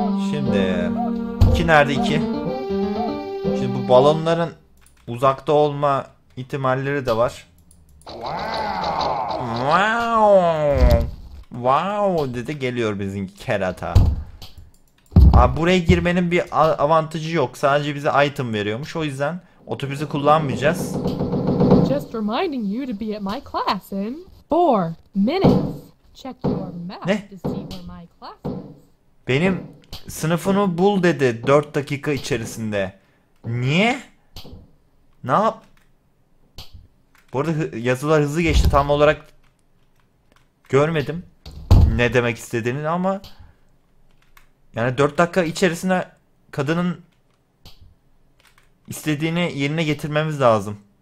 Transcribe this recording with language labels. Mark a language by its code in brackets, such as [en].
[tr] Şimdi iki nerede iki? Şimdi bu balonların uzakta olma ihtimalleri de var. Wow. Wow dedi geliyor bizimki kerata. Abi buraya girmenin bir avantajı yok. Sadece bize item veriyormuş. O yüzden otobüsü kullanmayacağız. [en] Just reminding you to be at my class in 4 minutes. Check your map [tr] Ne? [en] to see where my class is. [tr] Benim sınıfını bul dedi 4 dakika içerisinde. Niye? Ne yap? Bu arada yazılar hızlı geçti. Tam olarak görmedim ne demek istediğini ama yani 4 dakika içerisinde kadının istediğini yerine getirmemiz lazım.